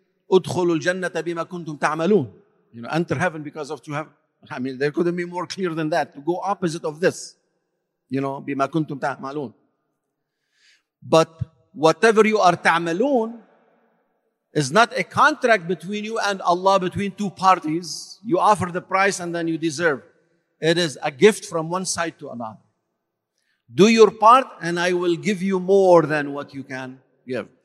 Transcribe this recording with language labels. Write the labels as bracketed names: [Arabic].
[Arabic] ادخلوا الجنة بما كنتم تعملون. [English] You know, enter heaven because of to have. I mean, there couldn't be more clear than that. To go opposite of this. You know, [Arabic] بما كنتم تعملون. [English] But whatever you are [Arabic] تعملون [English] is not a contract between you and Allah, between two parties. You offer the price and then you deserve. It is a gift from one side to another. Do your part and I will give you more than what you can give.